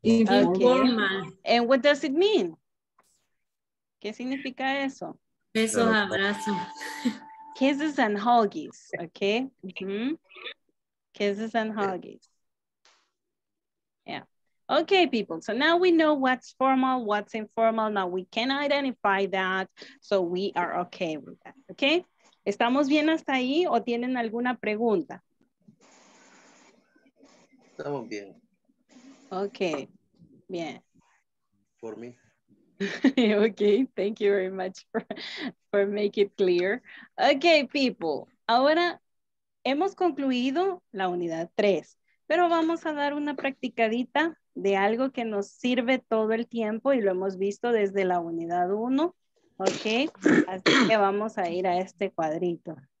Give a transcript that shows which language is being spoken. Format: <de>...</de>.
<en>Informal. Okay. And what does it mean?</en> <es>¿Qué significa eso? Besos, abrazo.</es> <en>Kisses and huggies. Okay. Mm-hmm. Kisses and huggies. Yeah. Okay, people. So now we know what's formal, what's informal. Now we can identify that. So we are okay with that. Okay.</en> <es>¿Estamos bien hasta ahí o tienen alguna pregunta? Estamos bien. Ok, bien.</es> <en>For me. Ok, thank you very much for make it clear. Ok, people.</en> <es>Ahora hemos concluido la unidad 3, pero vamos a dar una practicadita de algo que nos sirve todo el tiempo y lo hemos visto desde la unidad 1. Ok, así que vamos a ir a este cuadrito.</es>